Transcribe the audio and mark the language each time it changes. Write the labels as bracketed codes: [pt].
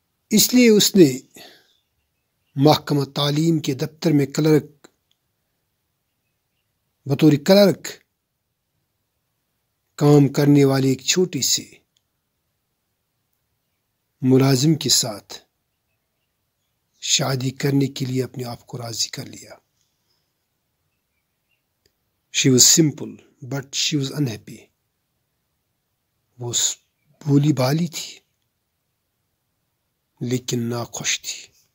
[ur] اس لیے اس نے محکمہ تعلیم کے دفتر میں کلرک بطور کلرک کام کرنے والی ایک چھوٹی سی ملازم کے ساتھ شادی کرنے کے لیے اپنے آپ کو راضی کر لیا. [en] She was simple but she was unhappy. [ur] وہ بھولی بھالی تھی لیکن ناخوش تھی.